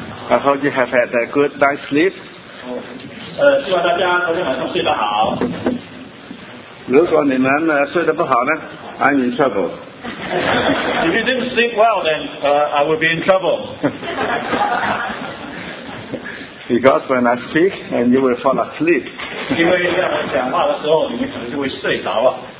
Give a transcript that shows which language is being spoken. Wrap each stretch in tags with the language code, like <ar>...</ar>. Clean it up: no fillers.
<en>I hope you have had a good night's sleep.</en> <zh>希望大家昨天晚上睡得好。如果你们睡得不好呢 ，</zh> <en>I'm in trouble. If you didn't sleep well, then I will be in trouble. Because when I speak, and you will fall asleep.</en> <zh>因为在我讲话的时候，你们可能就会睡着了。</zh>